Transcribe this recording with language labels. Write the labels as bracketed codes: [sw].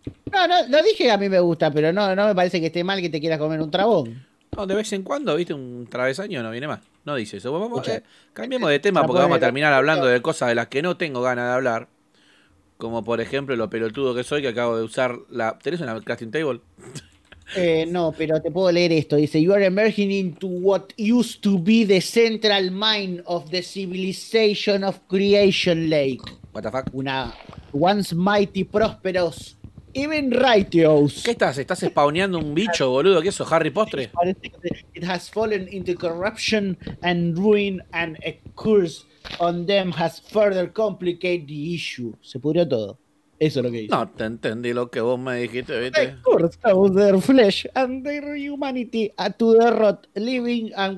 [es] No, no, no dije que a mí me gusta, pero no me parece que esté mal que te quieras comer un trabón. No, de vez en cuando, viste, un travesaño no viene más. No dice eso. Cambiemos de tema porque vamos a terminar hablando de cosas de las que no tengo ganas de hablar. Como, por ejemplo, lo pelotudo que soy que acabo de usar la... ¿Tenés una crafting table? No, pero te puedo leer esto. Dice, [en] you are emerging into what used to be the central mind of the civilization of Creation Lake. What the fuck? Una once mighty prosperous, even righteous. [es] ¿Qué estás? ¿Estás spawneando un bicho, boludo? ¿Qué es eso, Harry Potter? [en] It has fallen into corruption and ruin and a curse on them has further complicated the issue. [es] Se pudrió todo. Eso es lo que dice. No te entendí lo que vos me dijiste, ¿viste? [en] They caused their flesh and their humanity to the rot, living and